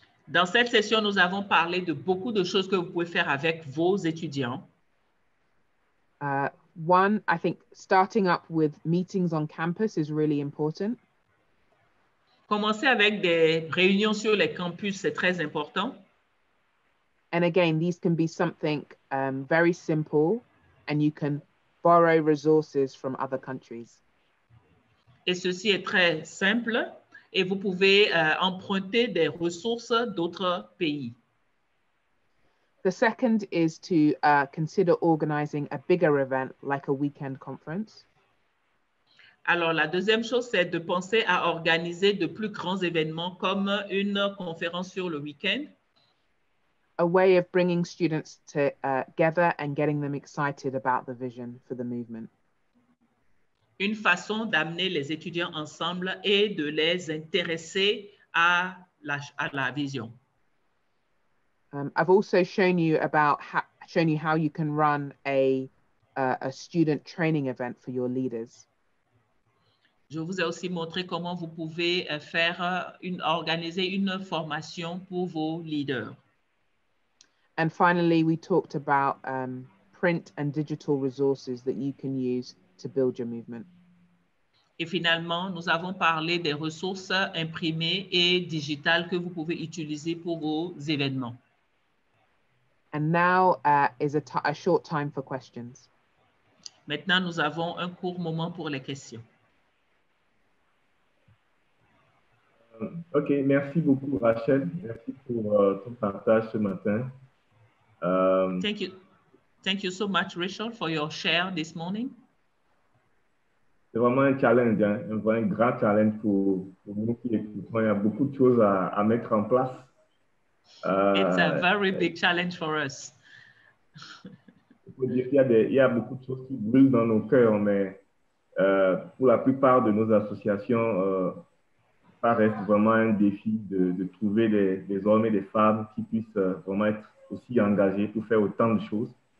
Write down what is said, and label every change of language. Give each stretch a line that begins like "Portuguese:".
French: Dans cette session, nous avons parlé de beaucoup de choses que vous pouvez faire avec vos étudiants.
English: One, I think starting up with meetings on campus is really important.
French: Commencer avec des réunions sur les campus, c'est très important.
English: And again, these can be something very simple, and you can borrow resources from other countries.
French: Et ceci est très simple, et vous pouvez emprunter des ressources d'autres pays.
English: The second is to consider organizing a bigger event, like a weekend conference.
French: Alors, la deuxième chose, c'est de penser à organiser de plus grands événements, comme une conférence sur le week-end.
English: A way of bringing students together and getting them excited about the vision for the movement.
French: Une façon d'amener les étudiants ensemble et de les intéresser à la vision.
English: I've also shown you how you can run a student training event for your leaders.
French: Je vous ai aussi montré comment vous pouvez organiser une formation pour vos leaders.
English: And finally, we talked about print and digital resources that you can use to build your movement.
French: Et finalement, nous avons parlé des ressources imprimées et digitales que vous pouvez utiliser pour vos événements.
English: And now is a short time for questions.
French: Maintenant, nous avons un court moment pour les questions. OK, merci beaucoup, Rachel. Merci pour ton partage ce matin.
English: Thank you so much, Rachel, for your share this morning.
French: C'est vraiment un challenge, hein? Un vrai grand challenge pour nous qui écoutons. Il y a beaucoup de choses à mettre en place.
English: It's a very big challenge for us.
French: Il y a beaucoup de choses qui brûlent dans nos cœurs, mais pour la plupart de nos associations, ça reste vraiment un défi de trouver des hommes et des femmes qui puissent vraiment être aussi engagé pour faire autant de choses.